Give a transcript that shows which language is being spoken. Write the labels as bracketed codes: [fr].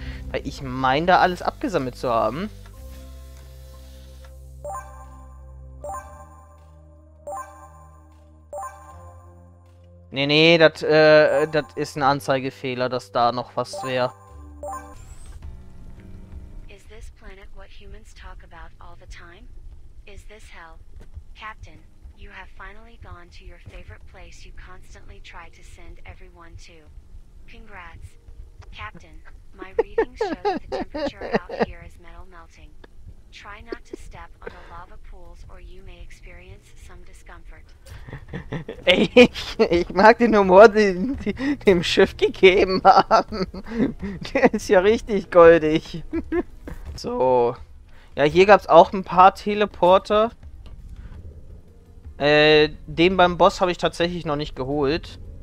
[de] Weil ich meine, da alles abgesammelt zu haben. Nee, nee, das ist ein Anzeigefehler, dass da noch was wäre. [en] Is this planet what humans talk about all the time? Is this hell? Captain, you have finally gone to your favorite place you constantly try to send everyone to. Congrats. Captain, my readings show that the temperature out here is metal melting. Try not to step on the lava pools or you may experience some discomfort. [de] Ey, ich mag den Humor, den die dem Schiff gegeben haben. Der ist ja richtig goldig. So. Ja, hier gab es auch ein paar Teleporter. Den beim Boss habe ich tatsächlich noch nicht geholt.